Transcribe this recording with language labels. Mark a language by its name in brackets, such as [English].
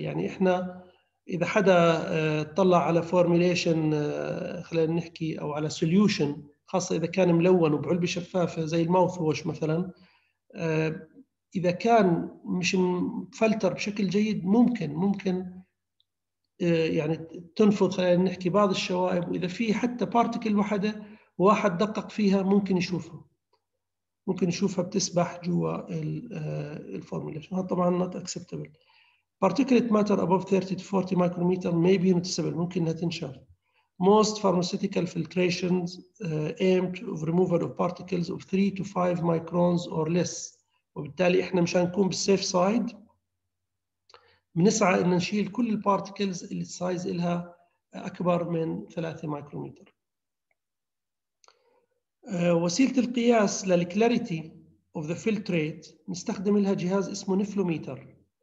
[Arabic] يعني إحنا إذا حدا طلع على formulation خلينا نحكي أو على solution خاصة إذا كان ملون وبعلبة شفافة زي الماوثوش مثلاً، إذا كان مش مفلتر بشكل جيد ممكن يعني تنفذ خلينا نحكي بعض الشوائب، وإذا في حتى بارتيكل واحدة واحد دقق فيها ممكن يشوفها بتسبح جوا الفورميليشن. هذا طبعا [English] not acceptable. Particulate matter above 30 to 40 micrometer may be noticeable، [Arabic] ممكن انها تنشر. [English] Most pharmaceutical filtrations aim to removal of particles of 3 to 5 microns or less. [Arabic] وبالتالي احنا مشان نكون بالسيف سايد بنسعى ان نشيل كل البارتكلز اللي السايز لها اكبر من 3 مايكرومتر. وسيله القياس للكلاريتي اوف ذا فلتريت نستخدم لها جهاز اسمه نفلوميتر.